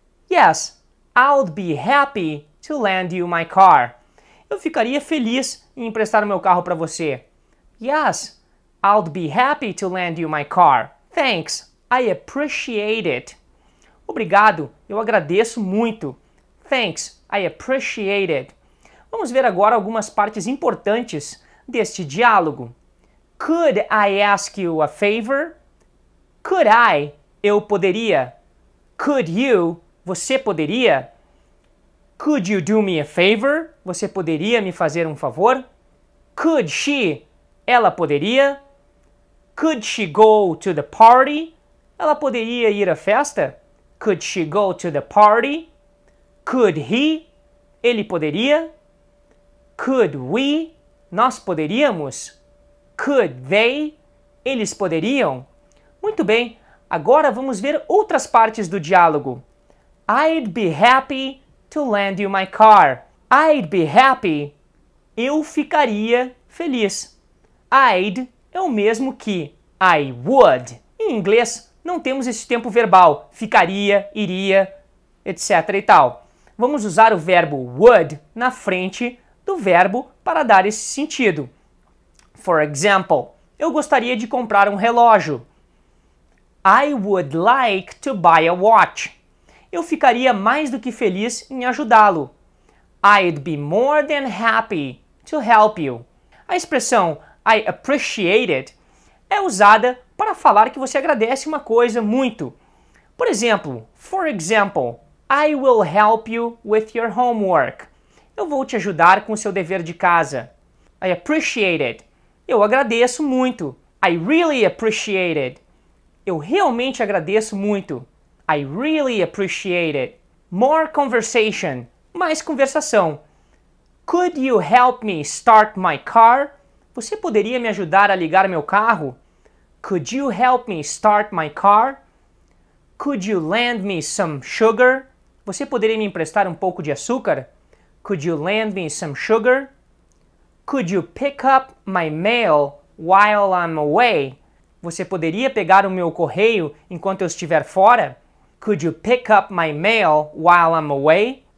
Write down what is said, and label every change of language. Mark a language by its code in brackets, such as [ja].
[en] Yes, I'll be happy to lend you my car. [pt] Eu ficaria feliz em emprestar o meu carro para você. [en] Yes, I'll be happy to lend you my car. Thanks, I appreciate it. [pt] Obrigado, eu agradeço muito. [en] Thanks, I appreciate it. [pt] Vamos ver agora algumas partes importantes deste diálogo. [en] Could I ask you a favor? Could I? [pt] Eu poderia. [en] Could you? [pt] Você poderia? [en] Could you do me a favor? [pt] Você poderia me fazer um favor? [en] Could she? [pt] Ela poderia? [en] Could she go to the party? [pt] Ela poderia ir à festa? [en] Could she go to the party? Could he? [pt] Ele poderia? [en] Could we? [pt] Nós poderíamos? [en] Could they? [pt] Eles poderiam? Muito bem, agora vamos ver outras partes do diálogo. [en] I'd be happy to lend you my car. I'd be happy. [pt] Eu ficaria feliz. I'd é o mesmo que I would. Em inglês, não temos esse tempo verbal. Ficaria, iria, etc. e tal. Vamos usar o verbo would na frente do verbo para dar esse sentido. [en] For example, [pt] eu gostaria de comprar um relógio. [en] I would like to buy a watch. [pt] Eu ficaria mais do que feliz em ajudá-lo. [en] I'd be more than happy to help you. [pt] A expressão I appreciate it é usada para falar que você agradece uma coisa muito. Por exemplo, [en] for example, I will help you with your homework. [pt] Eu vou te ajudar com o seu dever de casa. [en] I appreciate it. [pt] Eu agradeço muito. [en] I really appreciate it. [pt] Eu realmente agradeço muito. [en] I really appreciate it. More conversation. [pt] Mais conversação. [en] Could you help me start my car? [pt] Você poderia me ajudar a ligar meu carro? [en] Could you help me start my car? Could you lend me some sugar? [pt] Você poderia me emprestar um pouco de açúcar? [en] Could you lend me some sugar? Could you pick up my mail while I'm away? [pt] Você poderia pegar o meu correio enquanto eu estiver fora? [en] Could you pick up my mail while I'm away?